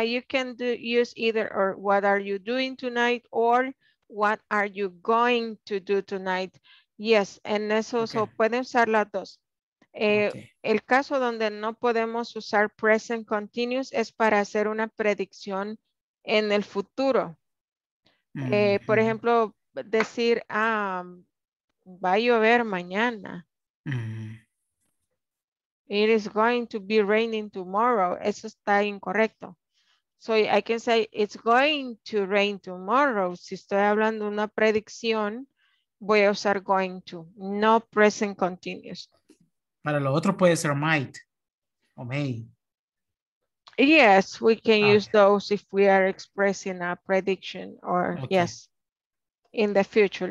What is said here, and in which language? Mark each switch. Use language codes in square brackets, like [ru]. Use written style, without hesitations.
[en] You can use either or what are you doing tonight or what are you going to do tonight. [es] Yes, en eso okay. So pueden usar las dos. El caso donde no podemos usar present continuous es para hacer una predicción en el futuro. Mm-hmm. Por ejemplo, decir, va a llover mañana. Mm-hmm. [en] It is going to be raining tomorrow. [es] Eso está incorrecto. [en] So I can say it's going to rain tomorrow. [es] Si estoy hablando una predicción, voy a usar going to, no present continuous. Para lo otro puede ser might o may. [en] Yes, we can use those if we are expressing a prediction or yes, in the future.